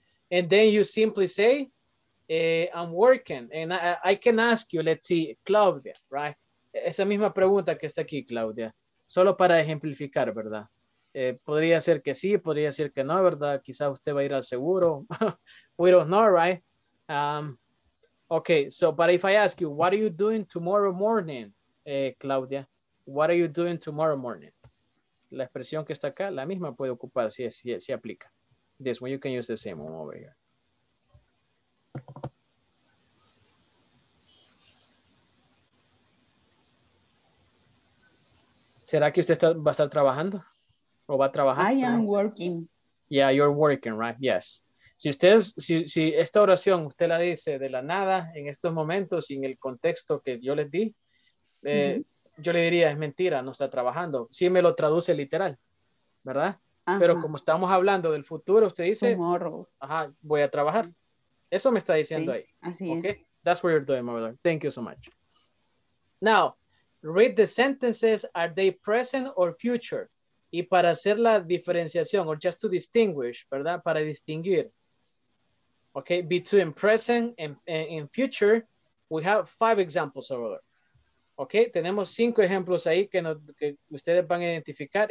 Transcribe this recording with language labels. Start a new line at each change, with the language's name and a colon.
English: And then you simply say, I'm working, and I can ask you, let's see, Claudia, right?
Spanish: Esa misma pregunta que está aquí, Claudia, solo para ejemplificar, ¿verdad? Podría ser que sí, podría ser que no, ¿verdad? Quizá usted va a ir al seguro. We don't know, right?
English: Okay, so, but if I ask you, what are you doing tomorrow morning, Claudia? What are you doing tomorrow morning?
Spanish: La expresión que está acá, la misma puede ocupar, si aplica.
English: This one, you can use the same one over here.
Spanish: ¿Será que usted va a estar trabajando? ¿O va a trabajar?
English: I am working. Yeah, you're working, right? Yes.
Spanish: Si esta oración usted la dice de la nada, en estos momentos, sin el contexto que yo les di, yo le diría, es mentira, no está trabajando. Sí me lo traduce literal, ¿verdad? Ajá. Pero como estamos hablando del futuro, usted dice,
English: tomorrow.
Spanish: Ajá, voy a trabajar. Eso me está diciendo, sí, ahí. Así
English: okay?
Spanish: Es.
English: That's what you're doing, my brother. Thank you so much. Now, read the sentences. Are they present or future?
Spanish: Y para hacer la diferenciación, or just to distinguish, ¿verdad? Para distinguir.
English: Okay, between present and in future, we have 5 examples over there.
Spanish: Okay, tenemos 5 ejemplos ahí que ustedes van a identificar.